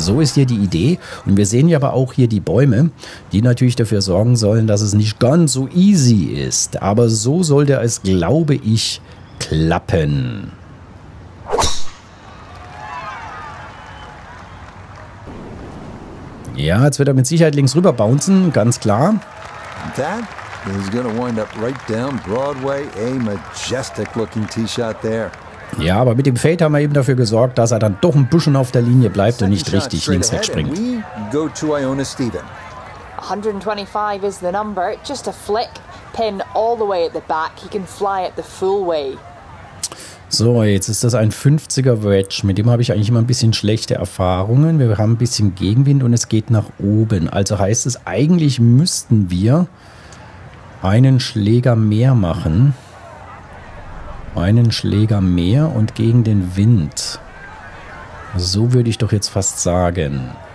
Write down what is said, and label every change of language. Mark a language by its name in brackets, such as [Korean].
[German] So ist hier die Idee und wir sehen ja aber auch hier die Bäume, die natürlich dafür sorgen sollen, dass es nicht ganz so easy ist. Aber so sollte es, glaube ich, klappen. Ja, jetzt wird er mit Sicherheit links rüber bouncen, ganz klar. [English] That is gonna wind up right down Broadway. A majestic looking tee shot there. [German] Ja, aber mit dem Fade haben wir eben dafür gesorgt, dass er dann doch ein bisschen auf der Linie bleibt und nicht richtig links wegspringt. [English] We go to Iona Stephen. 125 is the number. Just a flick pin all the way at the back. He can fly it the full way. [German] So, jetzt ist das ein 50er Wedge. Mit dem habe ich eigentlich immer ein bisschen schlechte Erfahrungen. Wir haben ein bisschen Gegenwind und es geht nach oben. Also heißt es, eigentlich müssten wir einen Schläger mehr machen. Einen Schläger mehr und gegen den Wind. So würde ich doch jetzt fast sagen.